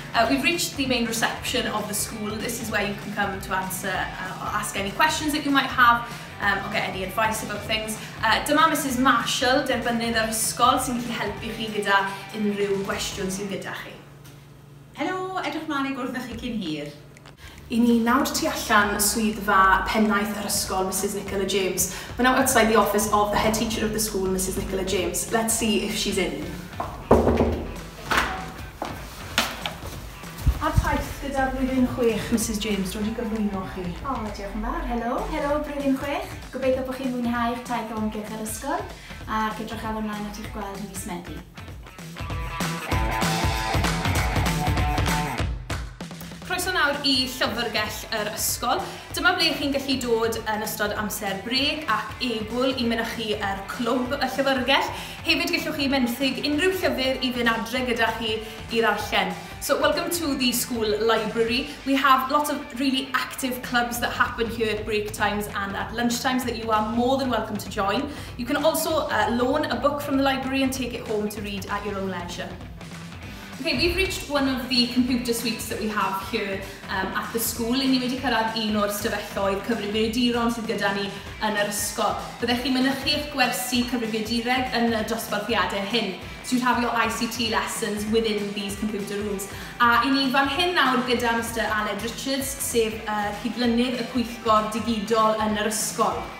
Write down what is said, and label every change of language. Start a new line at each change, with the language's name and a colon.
English: We've reached the main reception of the school. This is where you can come to answer or ask any questions that you might have or get any advice about things.
Welsh: Dyma Mrs Marshall, derbynydd yr ysgol, sy'n gallu helpu chi gyda unrhyw gwestiwn sy'n gyda chi. Helo, edrych mlaen I gwrddoch chi cyn hir. I ni nawr tu allan swyddfa pennaeth yr ysgol, Mrs Nicola James.
English: We're now outside the office of the head teacher of the school, Mrs Nicola James. Let's see if she's in.
Welsh: Ar taith gyda blwyddyn 6, Mrs James, roeddi gyflwyno chi. O, diolch yn fawr. Helo, helo, blwyddyn 6. Gobeithio bod chi'n mwynhau eich taith o amgylch yr ysgol ac edrych ar ymlaen at eich gweld yn mis Medi. Croeso nawr I llyfrgell yr ysgol. Dyma ble chi'n gallu dod yn ystod amser brec ac egwl I mynychu yr clwb y llyfrgell. Hefyd gallwch chi menthyg unrhyw llyfr I fynd adre gyda chi I ddarllen.
English: So welcome to the school library. We have lots of really active clubs that happen here at break times and at lunch times that you are more than welcome to join. You can also loan a book from the library and take it home to read at your own leisure. Okay, we've reached one of the computer suites that we have here at the school.
Welsh: Ni wedi cyrraedd un o'r stafelloedd cyfrifiaduron sydd gyda ni yn yr ysgol. Byddech chi'n mynychu eich gwersi cyfrifiadureg yn y dosbarthiadau hyn.
English: So you'd have your ICT lessons within these computer rooms.
Welsh: A ni fan hyn nawr gyda Mr Aled Richards, sef cydlynydd y Cwyllgor Digidol yn yr ysgol.